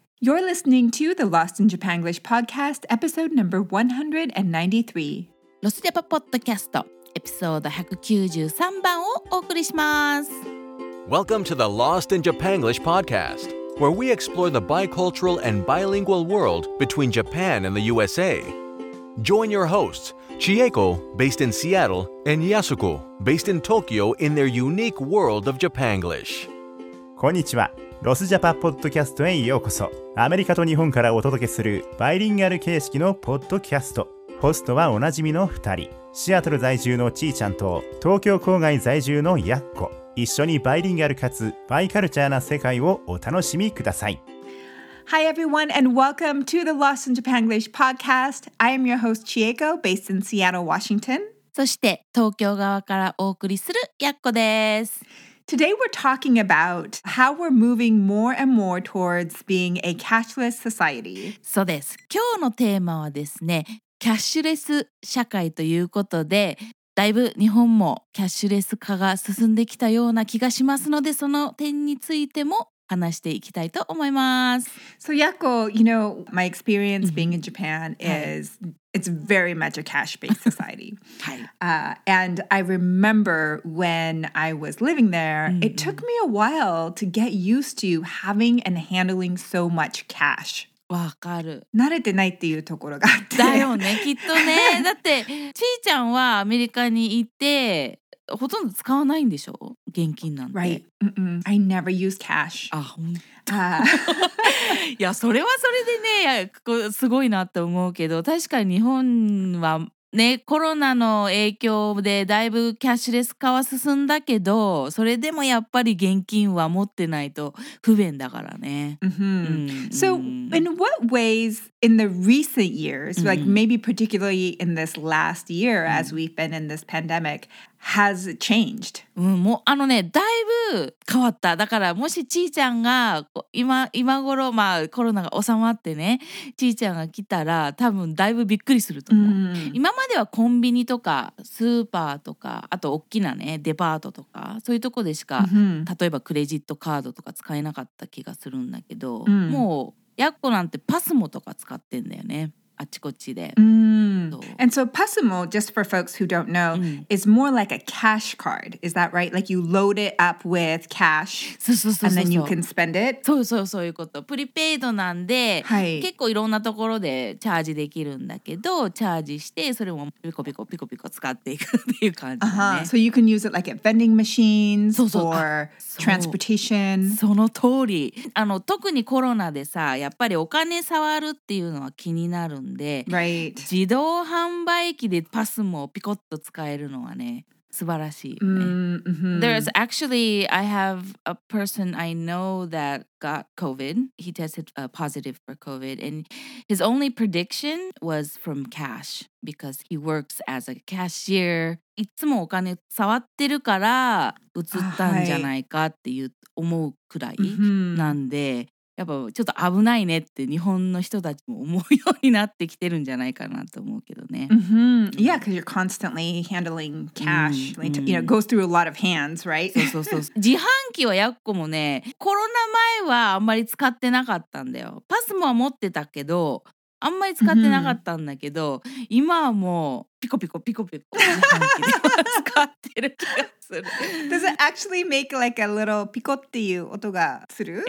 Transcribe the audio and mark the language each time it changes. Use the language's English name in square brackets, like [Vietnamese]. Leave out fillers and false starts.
[English] You're listening to the Lost in Japanglish podcast, episode number 193. [Japanese] ロスジャパポッドキャスト、エピソード193番をお送りします。 [English] Welcome to the Lost in Japanglish podcast, where we explore the bicultural and bilingual world between Japan and the USA. Join your hosts, Chieko, based in Seattle, and Yasuko, based in Tokyo, in their unique world of Japanglish. [Japanese] こんにちは。ロスジャパポッドキャストへようこそ。アメリカと日本からお届けするバイリンガル形式のポッドキャスト。ホストはおなじみの2人、シアトル在住のちーちゃんと東京郊外在住のやっこ。一緒にバイリンガルかつバイカルチャーな世界をお楽しみください。 [English] Hi everyone and welcome to the Lost in Japanglish podcast. I am your host Chieko, based in Seattle, Washington. [Japanese] そして東京側からお送りするやっこです。 [English] Today we're talking about how we're moving more and more towards being a cashless society. [Japanese] そうです。今日のテーマはですね、キャッシュレス社会ということで、だいぶ日本もキャッシュレス化が進んできたような気がしますので、その点についても話していきたいと思います。 [English] So Yako, you know, my experience being in Japan is it's very much a cash-based society. And I remember when I was living there, it took me a while to get used to having and handling so much cash. [Japanese] わかる。慣れてないっていうところがあって。だよね、きっとね。だって、ちーちゃんはアメリカにいて、ほとんど使わないんでしょ？現金なんて。 [English] Right. I never use cash. [Japanese] あ、本当。いや、それはそれでね、すごいなって思うけど、確かに日本はね、コロナの影響でだいぶキャッシュレス化は進んだけど、それでもやっぱり現金は持ってないと不便だからね。 [English] So, in what ways in the recent years, like maybe particularly in this last year as we've been in this pandemic, has changed? [Japanese] もうあのね、だいぶ変わった。だからもしちーちゃんが今頃、まあコロナが収まってね、ちーちゃんが来たら多分だいぶびっくりすると思う。今まではコンビニとかスーパーとか、あと大きなね、デパートとか、そういうとこでしか、例えばクレジットカードとか使えなかった気がするんだけど、もうやっこなんてパスモとか使ってんだよね。あっちこっちで。 [English] And so PASMO, just for folks who don't know, is more like a cash card. Is that right? Like you load it up with cash and then you can spend it? [Japanese] そういうこと。プリペイドなんで、結構いろんなところでチャージできるんだけど、チャージしてそれもピコピコ使っていくっていう感じだね。 [English] So you can use it like at vending machines or transportation. [Japanese] その通り。あの、特にコロナでさ、やっぱりお金触るっていうのは気になるんで、自動販売機でパスもピコッと使えるのはね、素晴らしいよね。 [English] There's actually, I have a person I know that got COVID. He tested positive for COVID. And his only prediction was from cash. Because he works as a cashier. [Japanese] いつもお金触ってるから、移ったんじゃないかっていう思うくらいなんで、やっぱちょっと危ないねって日本の人たちも思うようになってきてるんじゃないかなと思うけどね。 [English] Yeah, because you're constantly handling cash. Like, you know, goes through a lot of hands, right? [Japanese] そう。自販機はやっこもね、コロナ前はあんまり使ってなかったんだよ。パスモは持ってたけど、あんまり使ってなかったんだけど、今はもうピコピコ自販機で使ってる気がする。 [English] Does it actually make like a little [Japanese] ピコっていう音がする？